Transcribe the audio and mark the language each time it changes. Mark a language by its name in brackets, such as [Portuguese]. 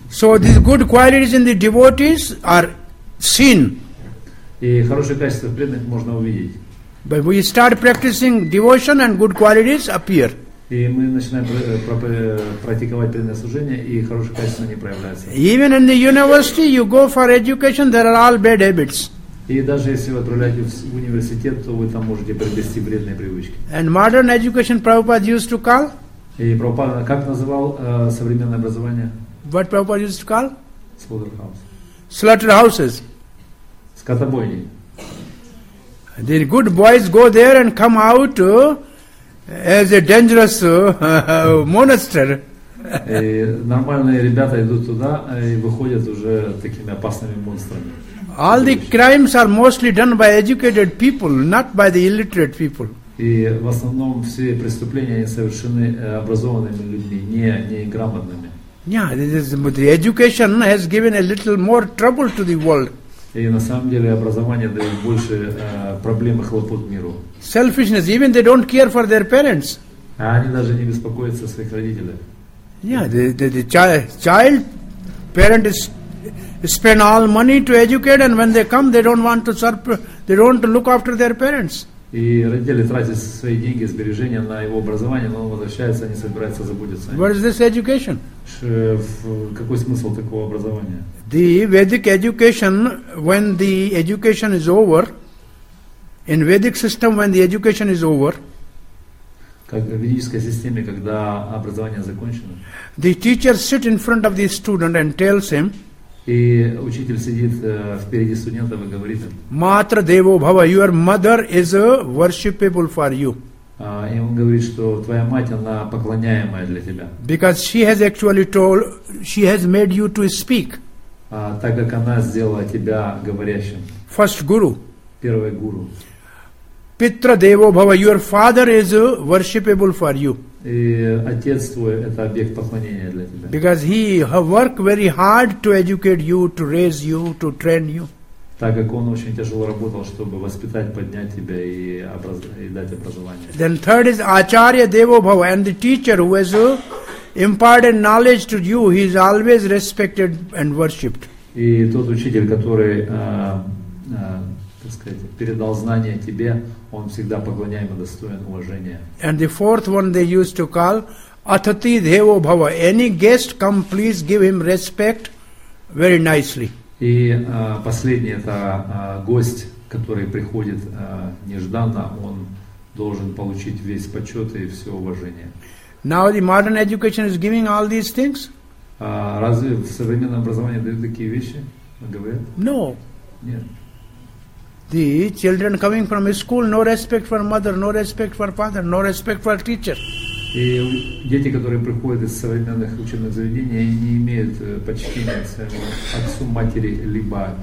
[English] So these good qualities in the devotees are seen. [Russian] И хорошие качества преданных можно увидеть. [English] But we start practicing devotion and good qualities appear. [Russian] И мы начинаем практиковать преданное служение, и хорошие качества не проявляются. [English] Even in the university, you go for education, there are all bad habits. [Russian] И даже если вы отправляетесь в университет, то вы там можете приобрести вредные привычки. [English] And modern education, Prabhupada used to call? [Russian] И Прабхупада как называл современное образование? [English] What Prabhupada used to call? Slaughterhouses. Slaughterhouses. [Russian] Скотобойни. [English] The good boys go there and come out as a dangerous monster. [Russian] Нормальные ребята идут туда и выходят уже такими опасными монстрами. [English] All the crimes are mostly done by educated people, not by the illiterate people. [Russian] И в основном все преступления совершены образованными людьми, не грамотными. [English] Yeah, this is, but the education has given a little more trouble to the world. [Russian] И на самом деле образование дает больше проблем и хлопот миру. [English] Selfishness, even they don't care for their parents. [Russian] А они даже не беспокоятся о своих родителях. [English] Yeah, the child, parent is spend all money to educate, and when they come, they don't look after their parents. [Russian] И родители тратят свои деньги, сбережения на его образование, но он возвращается, они собираются заботиться. [English] What is this education? [Russian] Какой смысл такого образования? [English] The Vedic education, when the education is over, in Vedic system, when the education is over, [Russian] как в ведической системе, когда образование закончено, [English] the teacher sit in front of the student and tells him, [Russian] и учитель сидит впереди студентов и говорит им, [Sanskrit] Матра Дево Бхава, [English] your mother is worshipable for you. [Russian] И он говорит, что твоя мать, она поклоняемая для тебя. [English] Because she has actually told, she has made you to speak. [Russian] Так как она сделала тебя говорящим. [English] First guru. [Russian] Первый гуру. [Sanskrit] Питра Дево Бхава, [English] your father is worshipable for you. [Russian] И отец твой – это объект поклонения для тебя. [English] Because he have worked very hard to educate you, to raise you, to train you. [Russian] Так как он очень тяжело работал, чтобы воспитать, поднять тебя и дать образование. [English] Then third is [Sanskrit] Acharya Devo Bhava, [English] and the teacher who has imparted knowledge to you, he is always respected and worshipped. [Russian] И тот учитель, который, так сказать, передал знания тебе, он всегда поклоняем и достоин уважения. [English] And the fourth one they used to call [Sanskrit] Atati Devo Bhava. [English] Any guest, come, please give him respect very nicely. [Russian] И последний это гость, который приходит нежданно, он должен получить весь почет и все уважение. [English] Now the modern education is giving all these things? [Russian] Разве в современном образовании дают такие вещи? Говорят? [English] No. [Russian] Нет. [English] The children coming from school, no respect for mother, no respect for father, no respect for teacher. [Russian] И дети, которые приходят из современных учебных заведений, они не имеют почтения к своему отцу, матери, либо...